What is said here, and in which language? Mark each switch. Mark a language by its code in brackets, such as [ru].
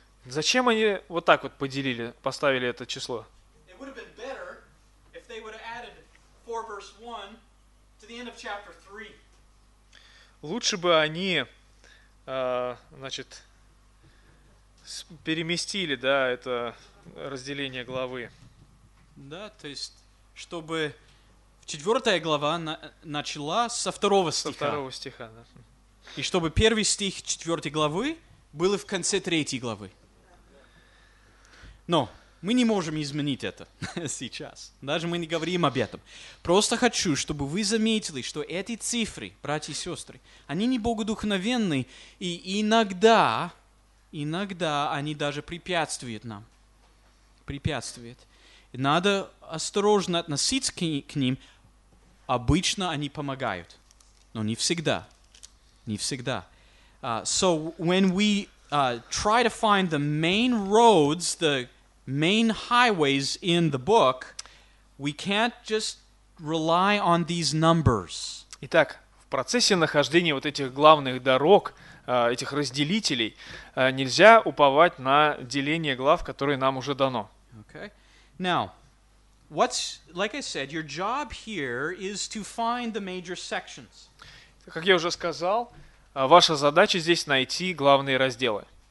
[ru] Зачем они вот так вот поделили, поставили это число? [en] It would have been better if they would have added 4 verse 1 to the end of chapter 3. [ru] Лучше бы они, значит, переместили, да, это разделение главы. Да, то есть, чтобы четвертая глава начала со второго стиха. Со второго стиха, да. И чтобы первый стих четвертой главы был в конце третьей главы. Но мы не можем изменить это сейчас. Даже мы не говорим об этом. Просто хочу, чтобы вы заметили, что эти цифры, братья и сестры, они не богодухновенны, и иногда они даже препятствуют нам. Препятствуют. Надо осторожно относиться к ним. Обычно они помогают, но не всегда. Не всегда. [en] So when we try to find the main roads, the main highways in the book, we can't just rely on these numbers. [ru] Итак, в процессе нахождения вот этих главных дорог, этих разделителей, нельзя уповать на деление глав, которые нам уже дано. [en] Okay. Now, what's, like I said, your job here is to find the major sections. [ru] Как я уже сказал, ваша задача здесь найти главные разделы.